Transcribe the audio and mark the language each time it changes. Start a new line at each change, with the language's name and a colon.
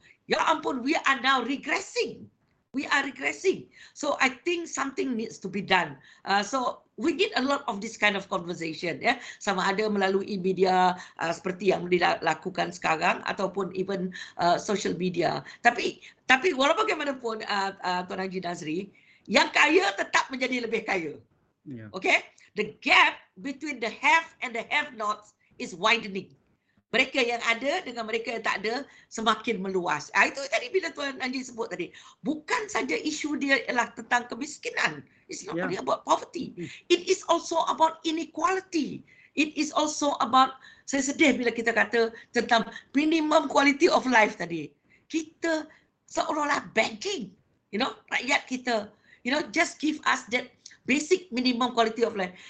Malay: Ya ampun,
English: we are now regressing. We are regressing. So I think something needs to be done. So we need a lot of this kind of conversation.
Malay: Ya, sama ada melalui media seperti yang dilakukan sekarang ataupun
English: even social media.
Malay: Tapi walaupun bagaimanapun, Tuan Haji Nazri, yang kaya tetap menjadi lebih kaya. Yeah. Okay?
English: The gap between the have and the have nots is widening.
Malay: Mereka yang ada dengan mereka yang tak ada semakin meluas. Itu tadi bila Tuan Anji sebut tadi. Bukan saja isu dia ialah tentang kemiskinan.
English: It's not only about poverty. It is also about inequality. It is also about,
Malay: saya sedih bila kita kata tentang minimum quality of life tadi. Kita seolah-olah begging, rakyat kita.
English: Just give us that basic minimum quality of life.